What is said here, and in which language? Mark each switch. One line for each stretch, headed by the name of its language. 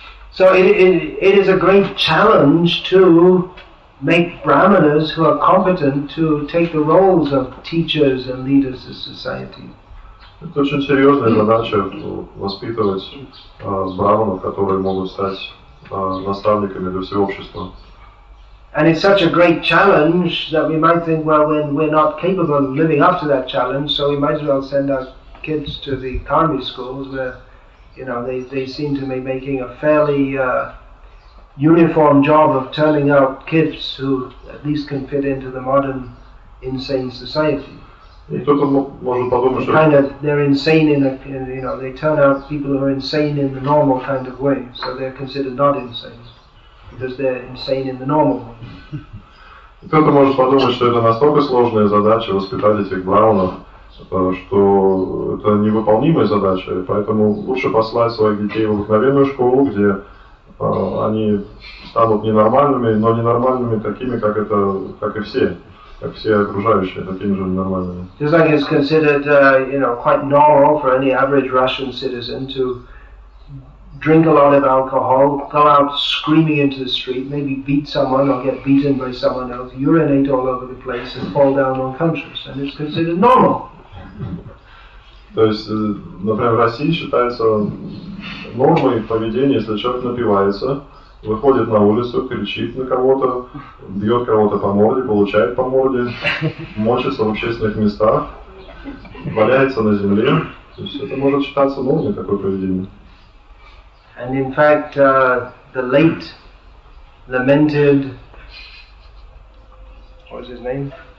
English: So it is a great challenge to make brahmanas who are competent to take the roles of teachers and leaders of society.
Russian: Это очень серьезная задача воспитывать брахманов, которые могут стать наставниками для всего общества.
English: And it's such a great challenge that we might think, well, when we're not capable of living up to that challenge, so we might as well send our kids to the karmi schools where, you know, they seem to be making a fairly uniform job of turning out kids who at least can fit into the modern insane society. They're insane they turn out people who are insane in the normal kind of way, so they're considered not insane because they're insane in the normal way.
Russian: Кто-то может подумать, что это настолько сложная задача воспитать этих браунов, что это невыполнимая задача, и поэтому лучше послать своих детей в обыкновенную школу, где они станут ненормальными, но ненормальными такими, как это, как все окружающие, такими же ненормальными.
English: Just like it's considered, you know, quite normal for any average Russian citizen to drink a lot of alcohol, go out screaming into the street, maybe beat someone or get beaten by someone else, urinate all over the place and fall down unconscious, and it's considered normal.
Russian: То есть, например, в России считается нормой поведения, если человек напивается, выходит на улицу, кричит на кого-то, бьет кого-то по морде, получает по морде, мочится в общественных местах, валяется на земле. То есть это может считаться нормой, такое поведение.
English: And in fact, the late lamented, what was his name?